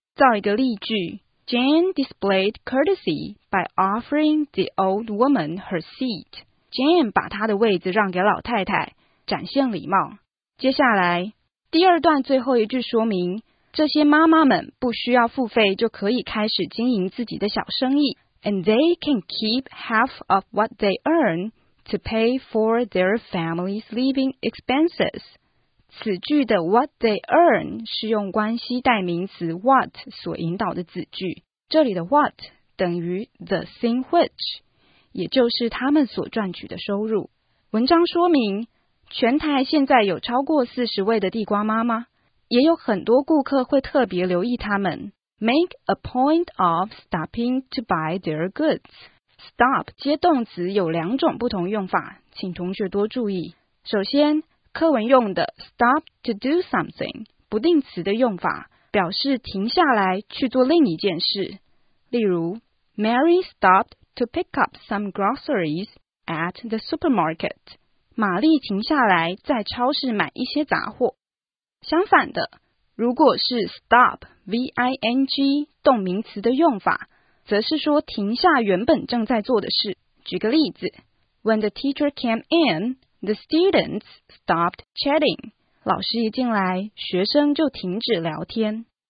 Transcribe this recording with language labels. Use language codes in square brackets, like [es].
[zh] 造一个例句， [en] Jane displayed courtesy by offering the old woman her seat. [zh] Jane 把她的位子让给老太太，展现礼貌。接下来，第二段最后一句说明，这些妈妈们不需要付费就可以开始经营自己的小生意。 [en] And they can keep half of what they earn to pay for their family's living expenses. [zh] 此句的 [en] what they earn [zh] 是用关系代名词 what 所引导的子句。这里的 what 等于 [en] the thing which， [zh] 也就是他们所赚取的收入。文章说明，全台现在有超过40位的地瓜妈妈，也有很多顾客会特别留意他们。 [en] Make a point of stopping to buy their goods. [zh] Stop 接动词有两种不同用法，请同学多注意。首先，课文用的 [en] stop to do something [zh] 不定词的用法，表示停下来去做另一件事。例如 [en] ，Mary stopped to pick up some groceries at the supermarket. [zh] 玛丽停下来在超市买一些杂货。相反的，如果是 stop V-I-N-G 动名词的用法，则是说停下原本正在做的事。举个例子， [en] When the teacher came in, the students stopped chatting. [zh] 老师一进来，学生就停止聊天。